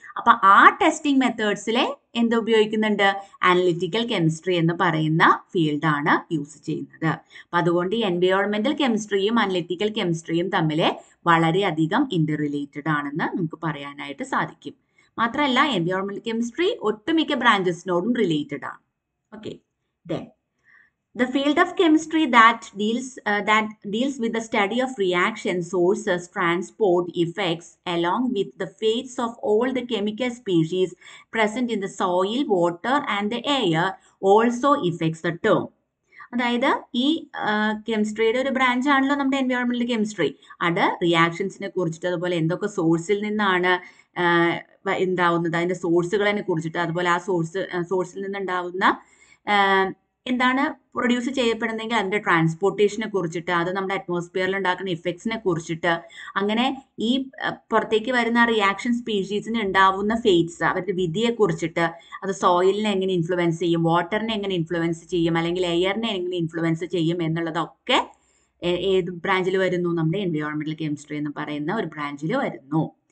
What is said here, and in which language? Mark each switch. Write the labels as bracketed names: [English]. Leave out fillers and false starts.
[Malayalam] അപ്പം ആ testing മെത്തേഡ്സിലെ എന്തുപയോഗിക്കുന്നുണ്ട്? Analytical chemistry എന്ന് പറയുന്ന ഫീൽഡാണ് യൂസ് ചെയ്യുന്നത്. അപ്പം അതുകൊണ്ട് ഈ എൻവയോൺമെൻ്റൽ കെമിസ്ട്രിയും അനലിറ്റിക്കൽ കെമിസ്ട്രിയും തമ്മിൽ വളരെയധികം ഇൻ്റർ റിലേറ്റഡ് ആണെന്ന് നമുക്ക് പറയാനായിട്ട് സാധിക്കും. മാത്രമല്ല എൻവയോൺമെൻ്റൽ കെമിസ്ട്രി ഒട്ടുമിക്ക ബ്രാഞ്ചസിനോടും റിലേറ്റഡ് ആണ്. Okay. [English] Then, the field of chemistry that deals with the study of reaction sources, transport effects, along with the fates of all the chemical species present in the soil, water, and the air also affects the term. [Malayalam] അതായത് ഈ കെമിസ്ട്രിയുടെ ഒരു branch ആണല്ലോ നമ്മുടെ എൻവയോൺമെന്റൽ chemistry. അത് റിയാക്ഷൻസിനെ കുറിച്ചിട്ട്, അതുപോലെ എന്തൊക്കെ സോഴ്സിൽ നിന്നാണ് ഉണ്ടാവുന്നത്, അതിൻ്റെ സോഴ്സുകളെ കുറിച്ചിട്ട്, അതുപോലെ ആ സോഴ്സിൽ നിന്നുണ്ടാവുന്ന എന്താണ് പ്രൊഡ്യൂസ് ചെയ്യപ്പെടുന്നതെങ്കിൽ അതിൻ്റെ ട്രാൻസ്പോർട്ടേഷനെ കുറിച്ചിട്ട്, അത് നമ്മുടെ അറ്റ്മോസ്ഫിയറിൽ ഉണ്ടാക്കുന്ന ഇഫക്ട്സിനെ കുറിച്ചിട്ട്, അങ്ങനെ ഈ പുറത്തേക്ക് വരുന്ന റിയാക്ഷൻ സ്പീഷീസിന് ഉണ്ടാവുന്ന ഫേറ്റ്സ്, അവരുടെ വിധിയെ കുറിച്ചിട്ട്, അത് സോയിലിനെ എങ്ങനെ ഇൻഫ്ലുവൻസ് ചെയ്യും, വാട്ടറിനെ എങ്ങനെ ഇൻഫ്ലുവൻസ് ചെയ്യും, അല്ലെങ്കിൽ എയറിനെ എങ്ങനെ ഇൻഫ്ലുവൻസ് ചെയ്യും എന്നുള്ളതൊക്കെ ഏത് ബ്രാഞ്ചിൽ വരുന്നു, നമ്മുടെ എൻവയോൺമെന്റൽ കെമിസ്ട്രി എന്ന് പറയുന്ന ഒരു ബ്രാഞ്ചിൽ വരുന്നു.